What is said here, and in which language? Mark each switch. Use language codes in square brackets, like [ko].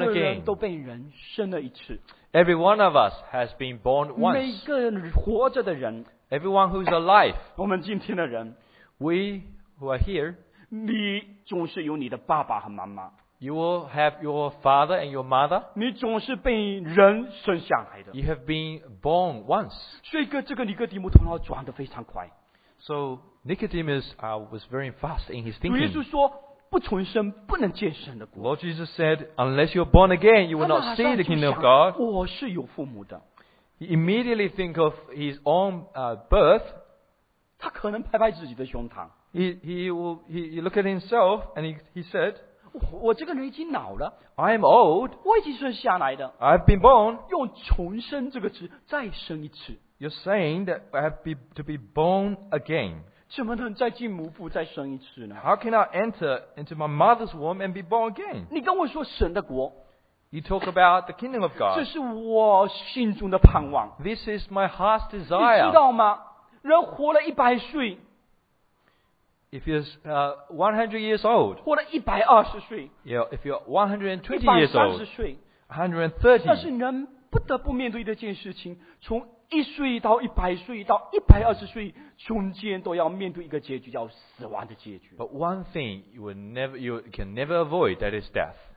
[zh] 每个人都被人生了一次。 [en] Every one of us has been born once. [zh] 每个活着的人。 [en] Everyone who is alive. [zh] 我们今天的人。 [en] We who are here. [zh] 你总是有你的爸爸和妈妈。 [en] You will have your father and your mother. [zh] 你总是被人生下来的。 [en] You have been born once. [zh] 所以这个尼哥底母头脑转得非常快。 [en] So Nicodemus was very fast in his thinking. [zh] 主耶稣说，不重生不能见神的国。 [en] Lord Jesus said, unless you are born again, you will not see the kingdom of God. [zh] 我是有父母的。 [en] He immediately think of his own birth. [zh] 他可能拍拍自己的胸膛。 [en] He look at himself and he said. [zh] 我这个人已经老了。 [en] I am old. [zh] 我已经生下来的。 [en] I've been born. [zh] 用重生这个词再生一次。 [en] You're saying that I have to be born again. [zh] 怎么能再进母腹再生一次呢？ [en] How can I enter into my mother's womb and be born again? [zh] 你跟我说神的国。 [en] You talk about the kingdom of God. [zh] 这是我心中的盼望。 [en] This is my heart's desire. [zh] 你知道吗？人活了100岁。 [en] If you're 100 years old, [zh] 活了120岁 [en] yeah, if you're 120 years old, 130, [zh] 但是人不得不面对的一件事情，从一岁到100岁到120岁，中间都要面对一个结局，叫死亡的结局。 [en] But one thing you can never avoid, that is death.